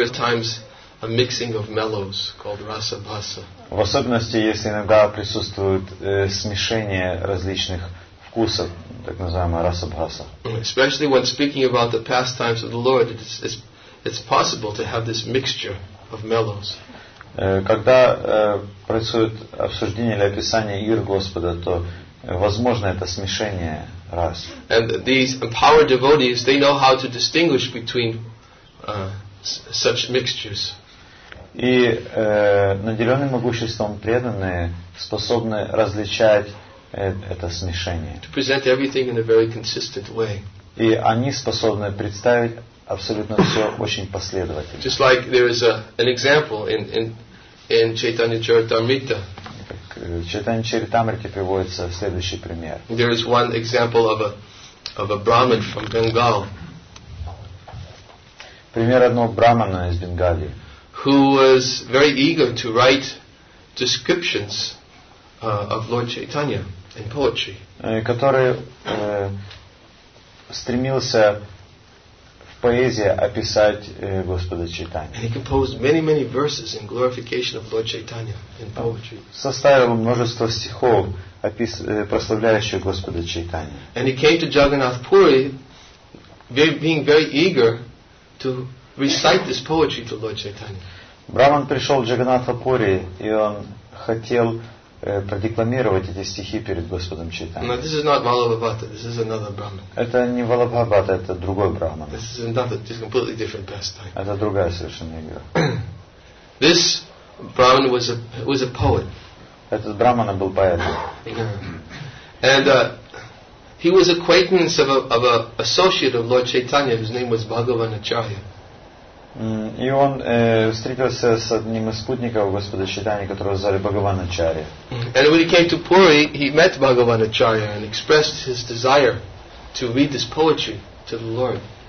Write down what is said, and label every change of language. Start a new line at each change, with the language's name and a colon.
English: There are times a mixing of mellows called rasa bhasa.
Russian: В особенности, если иногда присутствует смешение различных вкусов, так называемая раса бхаса.
English: Especially when speaking about the pastimes of the Lord, it's possible to have this mixture of mellows.
Russian: Когда происходит обсуждение или описание игр Господа, то возможно это смешение рас.
English: And these empowered devotees, they know how to distinguish between such mixtures.
Russian: И наделенные могуществом преданные способны различать это смешение.
English: To present everything in a very consistent way.
Russian: И они способны представить абсолютно все очень последовательно.
English: Just like there is an example in Chaitanya Charitamrita.
Russian: Chaitanya Charitamrita приводится следующий пример.
English: There is one example of a Brahmin from Bengal.
Russian: Пример одного брахмана из Бенгалии.
English: Who was very eager to write descriptions of Lord Chaitanya in poetry.
Russian: Который стремился в поэзии описать Господа Чайтанью.
English: He composed many, many verses in glorification of Lord Chaitanya in poetry.
Russian: Составил множество стихов, прославляющих Господа Чайтанью.
English: And he came to Jagannath Puri being very eager to recite this poetry to Lord Chaitanya.
Russian: Браман пришел в Джаганнатхапури, и он хотел продекламировать эти стихи перед Господом Чайтаньей.
English: No, this is not Vallabhabhata, this is another Brahman.
Russian: Это не Vallabhabhata, это другой Браман.
English: This is another, this is completely different pastime.
Russian: Это другая совершенно игра.
English: This Brahman was a poet.
Russian: Этот Браман был поэтом.
English: And he was acquaintance of a associate of Lord Chaitanya, whose name was Bhagavan Acharya.
Russian: И он встретился с одним из спутников Господа Чайтаньи, которого звали Бхагаван Ачарья.
English: And when he came to Puri, he met Bhagavan Acharya and expressed his desire to read this poetry to the Lord.